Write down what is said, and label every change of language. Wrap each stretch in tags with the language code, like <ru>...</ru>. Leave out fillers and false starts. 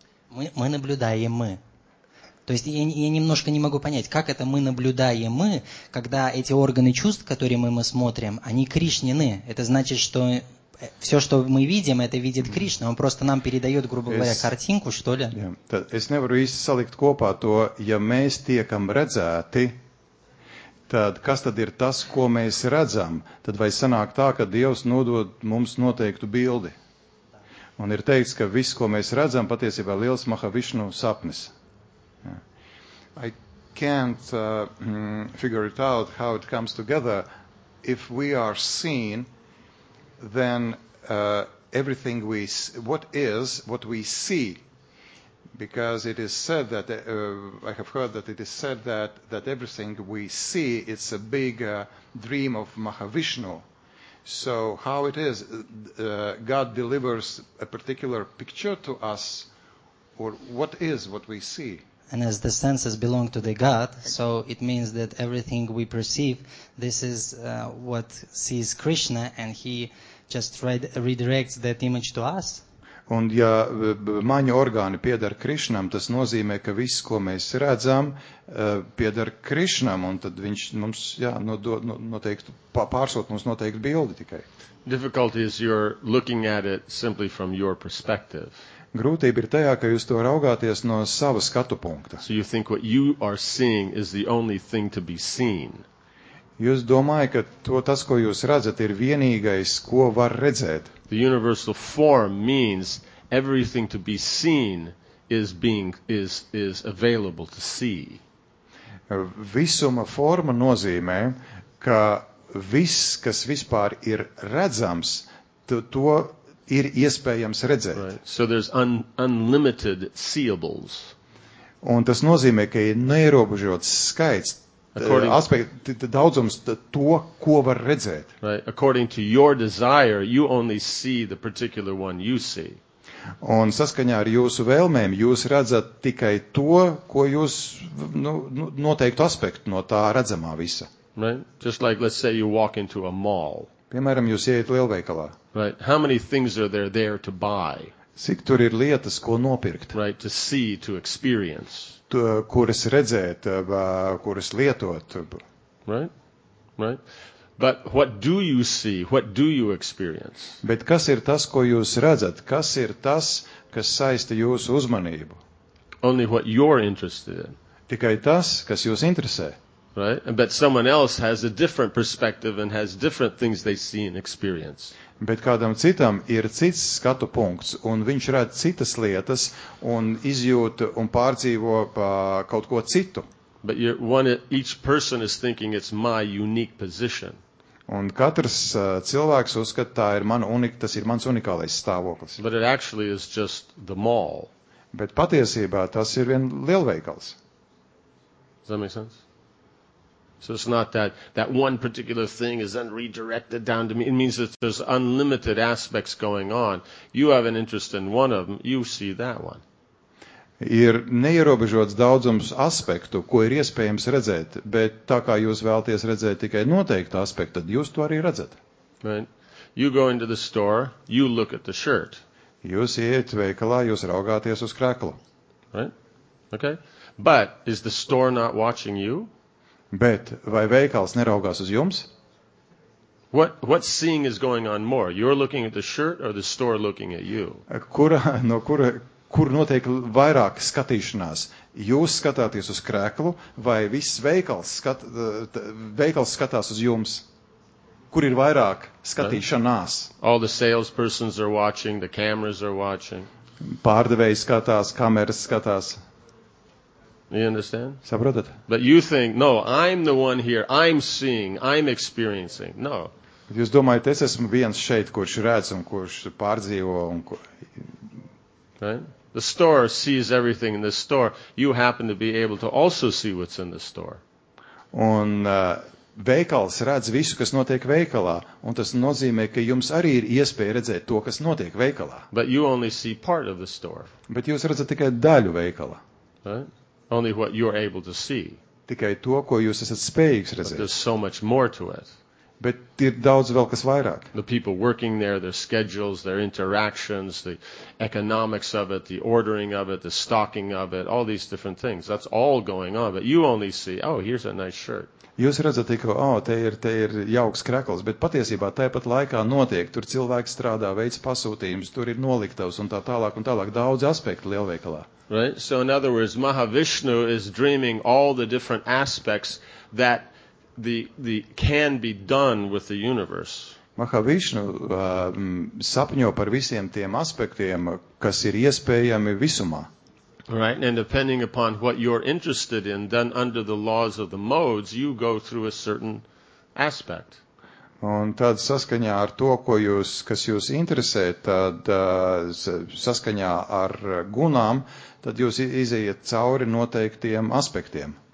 <ru>Мы наблюдаем мы. То есть я немножко не могу понять, как это мы наблюдаем мы, когда эти органы чувств, которые мы смотрим, они Кришнины. Это значит, что все, что мы видим, это видит Кришна. Он просто нам передает, грубо говоря, картинку, что ли?</ru> <lv>Es nevaru īsti salikt kopā to, ja mēs tiekam redzēti, tad kas tad ir tas, ko mēs redzam? Tad vai sanāk tā, ka Dievs nodod mums noteiktu bildi? Un ir teikts, ka viss, ko mēs redzam, patiesībā liels Mahavišnu sapnis.</lv> <en>I can't figure it out how it comes together. If we are seen, then everything we what we see, because it is said that I have heard that it is said that everything we see it's a big dream of Mahavishnu. So how it is God delivers a particular picture to us, or what is what we see? And as the senses belong to the God, so it means that everything we perceive, this is what sees Krishna, and he just redirects that image to us.</en> <lv>Un ja maņu orgāni pieder Krišnam, tas nozīmē, ka viss, ko mēs redzam, pieder Krišnam, un tad viņš mums, jā, noteikti, pārsūt mums noteikti bildi tikai.</lv> <en>Difficulty is you're looking at it simply from your perspective.</en> <lv>Grūtība ir tajā, ka jūs to raugāties no sava skatu punkta.</lv> <en>So you think what you are seeing is the only thing to be seen.</en> <lv>Jūs domājat, ka tas, ko jūs redzat, ir vienīgais, ko var redzēt.</lv> <en>The universal form means everything to be seen is available to see.</en> <lv>Visuma forma nozīmē, ka viss, kas vispār ir redzams, to ir iespējams redzēt.</lv> <en>Right. So there's unlimited seeables.</en> <lv>Un tas nozīmē, ka ir neierobežots skaits. Daudzums to, ko var redzēt.</lv> <en>Right. According to your desire, you only see the particular one you see.</en> <lv>Un saskaņā ar jūsu vēlmēm, jūs redzat tikai to, ko jūs noteiktu aspektu no tā redzamā visa.</lv> <en>Right. Just like, let's say, you walk into a mall.</en> <lv>Piemēram, jūs ieiet lielveikalā.</lv> <en>Right. How many things are there to buy?</en> <lv>Cik tur ir lietas, ko nopirkt?</lv> <en>Right. To see, to experience.</en> <lv>Kuras redzēt, kuras lietot.</lv> <en>Right? But what do you see? What do you experience?</en> <lv>Bet kas ir tas, ko jūs redzat? Kas ir tas, kas saista jūsu uzmanību?</lv> <en>Only what you're interested in.</en> <lv>Tikai tas, kas jūs interesē.</lv> <en>Right? But someone else has a different perspective and has different things they see and experience.</en> <lv>Bet kādam citam ir cits skatu punkts, un viņš redz citas lietas un izjūt un pārdzīvo kaut ko citu.</lv> <en>But each person is thinking it's my unique position.</en> <lv>Un katrs cilvēks uzskata, tas ir mans unikālais stāvoklis.</lv> <en>But it actually is just the mall.</en> <lv>Bet patiesībā tas ir vien lielveikals.</lv> <en>Does that make sense? So it's not that one particular thing is then redirected down to me. It means that there's unlimited aspects going on. You have an interest in one of them, you see that one.</en> <lv>Ir neierobežots daudzums aspektu, ko ir iespējams redzēt, bet tā kā jūs vēlties redzēt tikai noteiktu aspektu, tad jūs to arī redzat.</lv> <en>Right. You go into the store, you look at the shirt.</en> <lv>Jūs iet veikalā, jūs raugāties uz krēklu.</lv> <en>Right. Okay. But is the store not watching you?</en> <lv>Bet vai veikals neraugās uz jums?</lv> <en>What seeing is going on more? You're looking at the shirt or the store looking at you?</en> <lv>Kur notiek vairāk skatīšanās? Jūs skatāties uz krēklu vai viss veikals skatās uz jums? Kur ir vairāk skatīšanās?</lv> <en>All the salespersons are watching, the cameras are watching.</en> <lv>Pārdevējs skatās, kameras skatās.</lv> <en>You understand?</en> <lv>Saprotat?</lv> <en>But you think, no, I'm the one here, I'm seeing, I'm experiencing. No.</en> <lv>Jūs domājat, es esmu viens šeit, kurš redz un kurš pārdzīvo.</lv> <en>Right? The store sees everything in the store. You happen to be able to also see what's in the store.</en> <lv>Un veikals redz visu, kas notiek veikalā. Un tas nozīmē, ka jums arī ir iespēja redzēt to, kas notiek veikalā.</lv> <en>But you only see part of the store.</en> <lv>Bet jūs redzat tikai daļu veikalā.</lv> <en>Right? Only what you're able to see.</en> <lv>Tikai to, ko jūs esat spējīgs redzēt.</lv> <en>But there's so much more to it.</en> <lv>Bet ir daudz vēl kas vairāk.</lv> <en>The people working there, their schedules, their interactions, the economics of it, the ordering of it, the stocking of it, all these different things. That's all going on, but you only see, oh, here's a nice shirt.</en> <lv>Jūs redzat tikai, oh, te ir jauks krekls, bet patiesībā tāpat laikā notiek, tur cilvēki strādā, veic pasūtījumus, tur ir noliktavs un tālāk daudz aspektu lielveikalā.</lv> <en>Right? So in other words, Mahavishnu is dreaming all the different aspects that the can be done with the universe.</en> <lv>Mahavishnu sapņo par visiem tiem aspektiem, kas ir iespējami visumā.</lv> <en>Right, and depending upon what you're interested in, then under the laws of the modes, you go through a certain aspect.</en> <lv>Un tad saskaņā ar to, kas jūs interesē, tad saskaņā ar gunām, tad jūs izejiet cauri noteiktiem aspektiem.</lv>